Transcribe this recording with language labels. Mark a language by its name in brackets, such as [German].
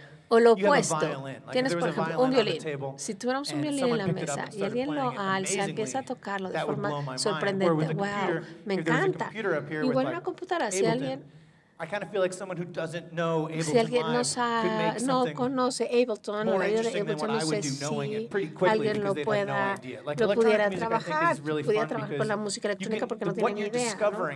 [Spanish] O lo opuesto, tienes por ejemplo un violín, si tuviéramos un violín en la mesa y alguien lo alza, empieza a tocarlo de forma sorprendente, wow, me encanta, igual una computadora, si alguien... [English] I kind of feel like someone who doesn't know Ableton [Spanish] si alguien no sabe, no conoce Ableton, o la vida de Ableton, no sé si alguien lo pueda, lo pudiera trabajar, pudiera trabajar con la música electrónica porque no tiene ni idea, ¿no?